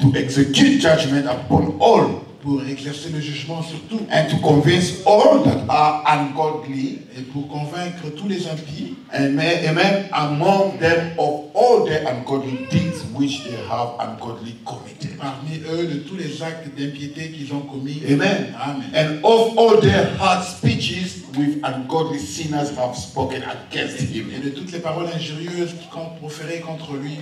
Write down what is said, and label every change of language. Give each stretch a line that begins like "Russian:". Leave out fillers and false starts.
English: To execute judgment upon all.
French: Pour exercer le jugement sur tout.
English: And to convince all that are ungodly.
French: Et pour convaincre tous les impies.
English: And même among them of all their ungodly deeds which they have ungodly committed.
French: Parmi eux de tous les actes d'impiété qu'ils ont commis.
English: Amen. Amen. And of all their hard speeches which ungodly sinners have spoken against him.
French: Et de toutes les paroles injurieuses qu'ils ont proférées contre lui.